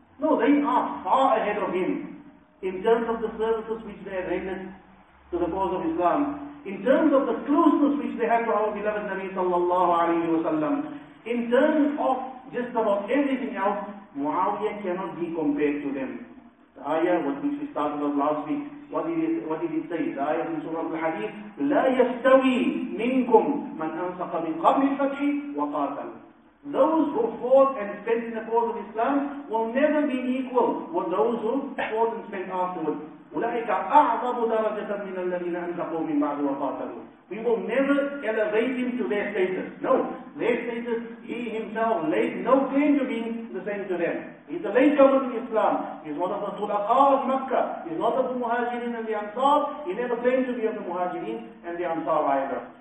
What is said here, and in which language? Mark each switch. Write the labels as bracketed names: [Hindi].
[English] No, they are far ahead of him in terms of the services which they have rendered to the cause of Islam, in terms of the closeness which they had to our beloved Nabi sallallahu alayhi wa sallam, in terms of just about everything else, Muawiyah cannot be compared to them. The ayah with which we started off last week, what did it say? The ayah in Surah Al-Hadith, [Arabic] لا يستوي منكم من أنفق من قبل الفتح وقاتل. [English] Those who fought and spent in the cause of Islam will never be equal with those who fought and spent afterwards. [Arabic] أولئك أعظم درجة من الذين أنفقوا من بعد وقاتلوا. [English] We will never elevate him to their status. No, their status, he himself laid no claim to being the same to them. He's a latecomer in Islam. He's one of the tulaqa of Makkah. He's not of the Muhajirin and the Ansar. He never claimed to be of the Muhajirin and the Ansar either.